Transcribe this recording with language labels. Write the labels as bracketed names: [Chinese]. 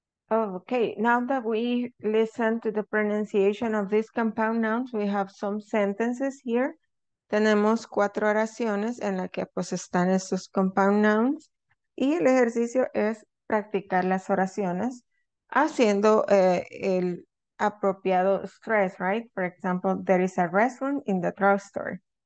[English] Okay, now that we listen to the pronunciation of these compound nouns, we have some sentences here. [Spanish] Tenemos cuatro oraciones en las que pues están estos compound nouns y el ejercicio es practicar las oraciones haciendo el apropiado stress, right? [English] For example, there is a restroom in the drugstore.